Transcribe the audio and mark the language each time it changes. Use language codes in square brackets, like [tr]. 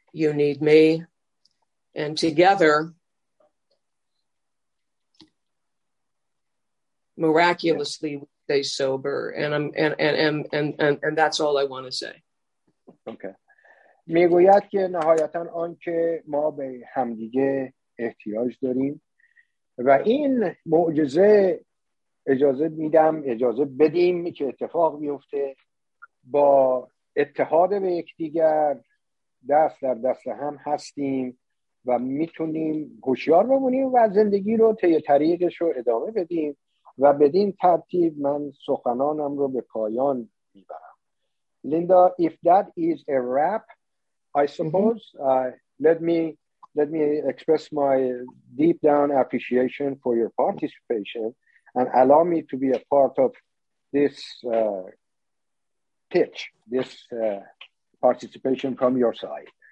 [en] You need me, and together, miraculously, we stay sober. And that's all I want to say. Okay. [fa] میگوید که نهایتاً آن که ما به همدیگه احتیاج داریم و این معجزه اجازه میدم، اجازه بدیم که اتفاق بیفته با اتحاد به یکدیگر. دست در دست هم هستیم و میتونیم هوشیار بمونیم و زندگی رو طی طریقش رو ادامه بدیم و بدین ترتیب من سخنانم رو به پایان میبرم. [en] Linda, if that is a wrap, I suppose, let me express my deep down appreciation for your participation and allow me to be a part of this pitch, this participation from your side.